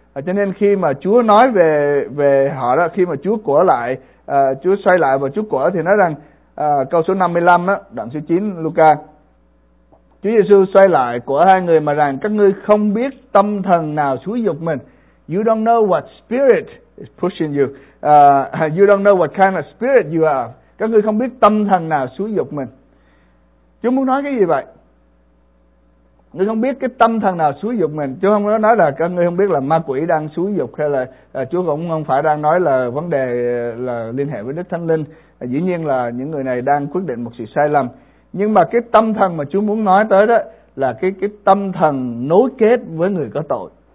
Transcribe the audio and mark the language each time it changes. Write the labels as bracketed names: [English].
[Vietnamese] Cho nên khi mà Chúa nói về họ đó, khi mà Chúa của lại, Chúa xoay lại và Chúa của thì nói rằng, câu số 55 đó, đoạn số 9 Luca, Chúa Giêsu xoay lại của hai người mà rằng: các ngươi không biết tâm thần nào xúi dục mình. [English] You don't know what spirit is pushing you. You don't know what kind of spirit you are. [Vietnamese] Các ngươi không biết tâm thần nào xúi dục mình. Chúa muốn nói cái gì vậy? Ngươi không biết cái tâm thần nào xúi dục mình. Chúa không có nói là các ngươi không biết là ma quỷ đang xúi dục, hay là Chúa cũng không phải đang nói là vấn đề là liên hệ với Đức Thánh Linh. Dĩ nhiên là những người này đang quyết định một sự sai lầm. Nhưng mà cái tâm thần mà Chúa muốn nói tới đó là cái tâm thần nối kết với người có tội.